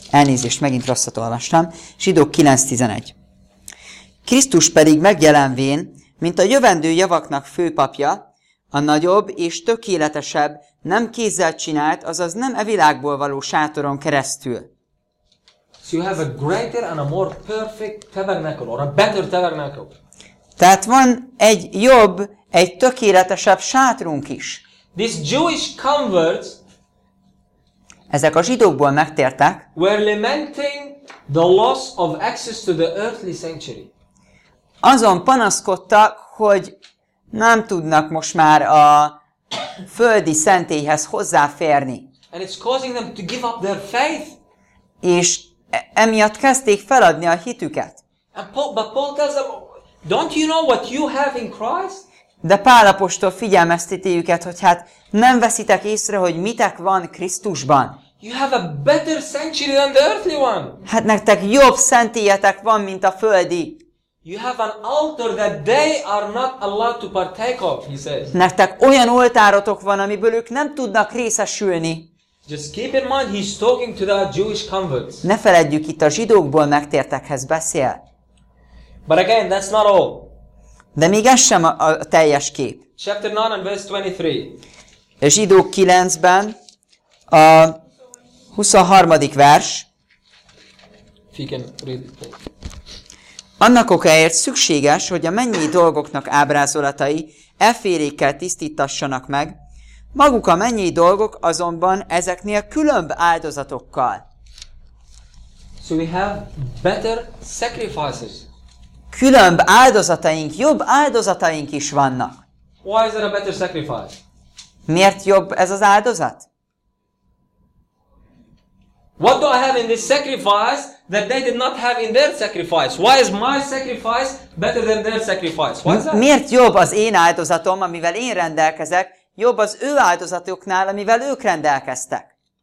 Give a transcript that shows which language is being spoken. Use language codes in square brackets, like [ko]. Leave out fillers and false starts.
[hu] Elnézést, megint rosszat olvastam. Zsidók 9, 11. Krisztus pedig megjelenvén, mint a jövendő javaknak főpapja, a nagyobb és tökéletesebb, nem kézzel csinált, azaz nem e világból való sátoron keresztül. [en] So you have a greater and a more perfect tabernacle, or a better tabernacle. [hu] Tehát van egy jobb, egy tökéletesebb sátrunk is. [en] These Jewish converts, [hu] ezek a zsidókból megtértek, [en] were lamenting the loss of access to the earthly sanctuary. [hu] Azon panaszkodtak, hogy nem tudnak most már a földi szentélyhez hozzáférni. [en] And it's causing them to give up their faith. [hu] És emiatt kezdték feladni a hitüket. [en] But Paul tells them, don't you know what you have in Christ? [hu] De Pál apostol figyelmezteti őket, hogy hát nem veszitek észre, hogy mitek van Krisztusban. [en] You have a better sanctuary than the earthly one. [hu] Hát nektek jobb szentélyetek van, mint a földi. [en] You have an altar that they are not allowed to partake of, he says. [hu] Nektek olyan oltárotok van, amiből ők nem tudnak részesülni. [en] Just keep in mind he's talking to the Jewish converts. [hu] Ne feledjük, itt a zsidókból megtértekhez beszél. [en] But again, that's not all. [hu] De még ez sem a teljes kép. [en] Chapter 9 and verse 23. [hu] A zsidók 9-ben a 23. vers. [en] If you can read it. [hu] Annak okáért szükséges, hogy a mennyi dolgoknak ábrázolatai e félékkel tisztítassanak meg, maguk a mennyi dolgok azonban ezeknél különb áldozatokkal. [en] So we have better sacrifices. [hu] Különb áldozataink, jobb áldozataink is vannak. [en] Why is there a better sacrifice? [hu] Miért jobb ez az áldozat? [en] What do I have in this sacrifice that they did not have in their sacrifice? Why is my sacrifice better than their sacrifice? Why is that? [hu] Miért jobb az én áldozatom, amivel én rendelkezek, jobb az ő áldozatoknál, amivel ők rendelkeztek?